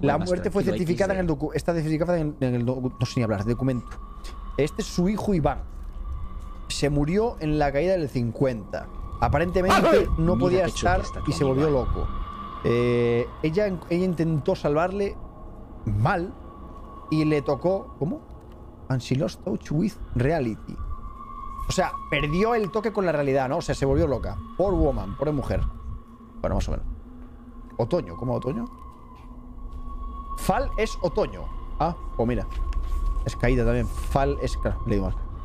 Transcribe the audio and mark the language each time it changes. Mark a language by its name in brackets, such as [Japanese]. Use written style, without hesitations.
[Spanish] la muerte fue certificada en el documento. Está certificada en el documento. No sé ni hablar, documento. Este es su hijo Iván. Se murió en la caída del 50. Aparentemente no podía estar y se volvió loco. Ella intentó salvarle mal y le tocó. ¿Cómo? [English] And she lost touch with reality. [Spanish] O sea, perdió el toque con la realidad, ¿no? O sea, se volvió loca. [English] Poor woman, [Spanish] pobre mujer. Bueno, más o menos. Otoño, ¿cómo otoño? Fall es otoño. Ah, pues mira. Es caída también. Fall es. Claro, leí mal.